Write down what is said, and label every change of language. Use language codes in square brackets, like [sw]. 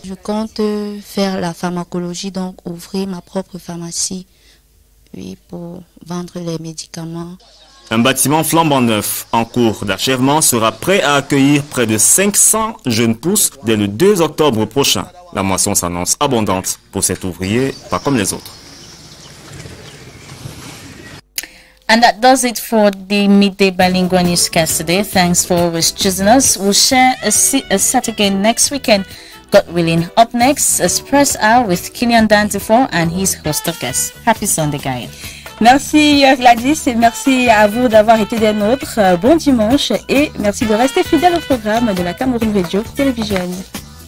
[fr] Je compte faire la pharmacologie, donc ouvrir ma propre pharmacie, oui, pour vendre les médicaments. Un bâtiment flambant neuf, en cours d'achèvement, sera prêt à accueillir près de 500 jeunes pousses dès le 2 octobre prochain. La moisson s'annonce abondante pour cet ouvrier, pas comme les autres. [en] And that does it for the Midday Bilingual Newscast today. Thanks for always choosing us. We'll share a set again next weekend. God willing. Up next, Express Hour with Kenyan Dantifor and his host of guests. Happy Sunday, guys. [fr] Merci Gladys et merci à vous d'avoir été des nôtres. Bon dimanche et merci de rester fidèles au programme de la Cameroun Radio Télévision.